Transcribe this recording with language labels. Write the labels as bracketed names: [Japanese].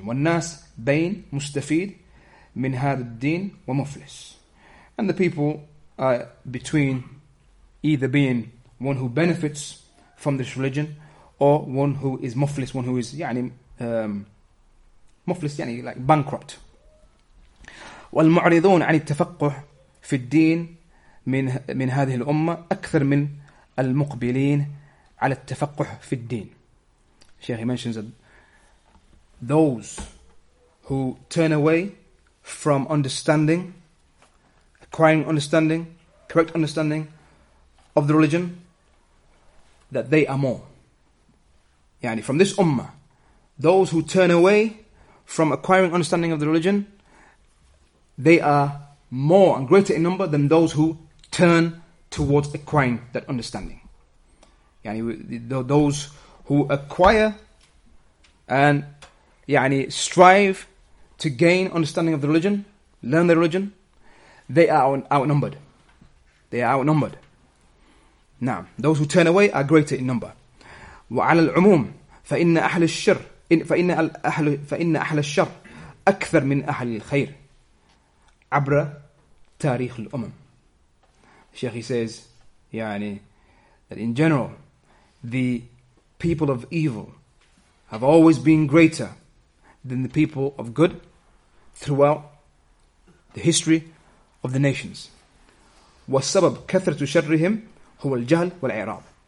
[Arabic] وَالنَّاسِ بَيْن مُسْتَفِيد مِنْ هَذَا الدِّينِ وَمُفْلِس. [English] And the people are between either being one who benefits from this religion or one who is muflis, one who is يعني muflis, يعني like bankrupt. [Arabic] والمعرضون عن التفقه في الدين من هذه الأمة أكثر من المقبلين على التفقه في الدين. [English] Sheikh, he mentions that those who turn away from understanding, acquiring understanding, correct understanding of the religion, that they are more. Yani from this ummah, those who turn away from acquiring understanding of the religion, they are more and greater in number than those who turn towards acquiring that understanding. Yani those who acquire and yani strive to gain understanding of the religion, learn the religion, they are outnumbered. They are outnumbered. Now, those who turn away are greater in number. [Arabic] وعلى العموم فإن أهل الشر فإن أهل الشر أكثر من أهل الخير عبر تاريخ الأمم. [English] Sheikh, he says, يعني, that in general, the people of evil have always been greater than the people of good throughout the history of the nations. [Arabic] وَالسَّبَبْ كَثْرَةُ شَرِّهِمْ هُوَ الْجَهْلُ وَالْإِعْرَابُ.